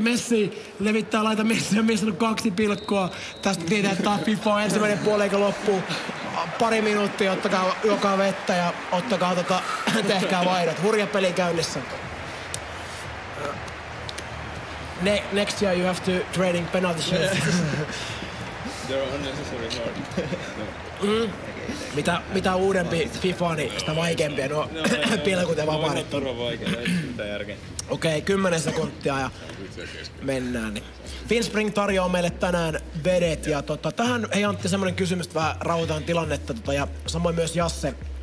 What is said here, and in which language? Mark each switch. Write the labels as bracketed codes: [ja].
[fi] Messi levittää, laita Messi. Ja Messi on 2 pilkkoa. Tästä tietää, että FIFA on ensimmäinen puoliaika loppuun. Pari minuuttia, ottakaa joka vettä ja ottakaa tota, tehkää vaihdot. Hurja peli käynnissä. [en] Next year you have to training penalty shots. They're unnecessary hard. [fi] Mitä uudempi FIFA, niin sitä vaikeampia nuo pilkut ja vapaarit on. Okei, 10 sekuntia ja mennään. Niin. Finspring tarjoaa meille tänään vedet. Ja tota, tähän, hei Antti, semmoinen kysymys, että vähän rauhoitetaan tilannetta. Tota, ja samoin myös Jasse.